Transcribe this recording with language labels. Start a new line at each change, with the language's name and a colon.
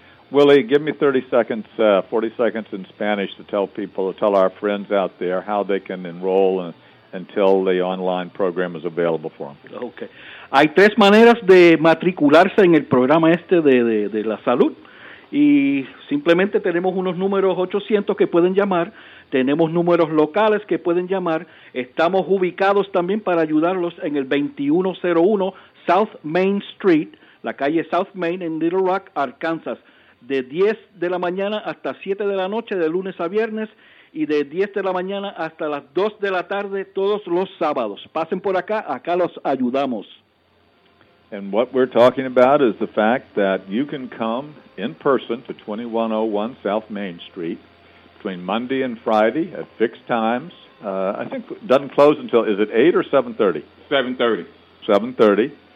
English: Willie, give me 40 seconds in Spanish to tell people, to tell our friends out there how they can enroll until the online program is available for them. Okay.
Spanish: Hay tres maneras de matricularse en el programa este de la salud, y simplemente tenemos unos números 800 que pueden llamar. Tenemos números locales que pueden llamar. Estamos ubicados también para ayudarlos en el 2101 South Main Street, la calle South Main en Little Rock, Arkansas, de 10 de la mañana hasta 7 de la noche, de lunes a viernes, y de 10 de la mañana hasta las 2 de la tarde, todos los sábados. Pasen por acá, acá los ayudamos.
English: And what we're talking about is the fact that you can come in person to 2101 South Main Street, between Monday and Friday at fixed times. I think it doesn't close until, is it 8 or 7:30? 7:30.